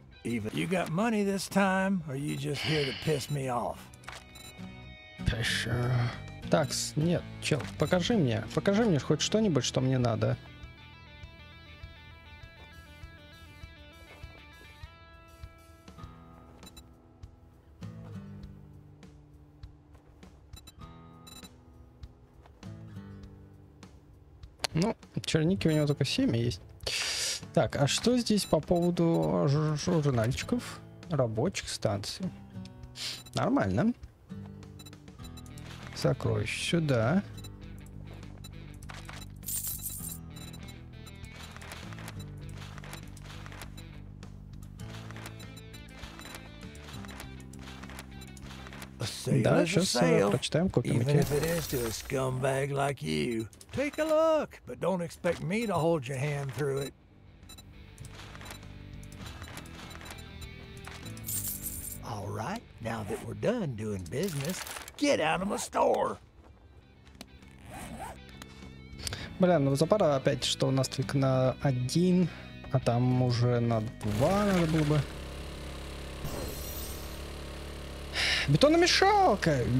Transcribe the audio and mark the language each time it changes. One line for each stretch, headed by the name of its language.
English: Even you got money this time, or you just here to piss me off? Sure.
Russian: Такс, нет, чел, покажи мне хоть что-нибудь, что мне надо. Ну, черники у него только 7 есть. Так, а что здесь по поводу журнальчиков рабочих станций? Нормально. Сокровища сюда. Да, сейчас прочитаем, купим эти.
English: Even if it is to a scumbag like you, take a look, but don't expect me to hold your hand through it. Alright, now that we're done doing business, get out of my store.
Russian: Бля, ну запара опять, что у нас только на один, а там уже на два надо было бы. Бетономешалка!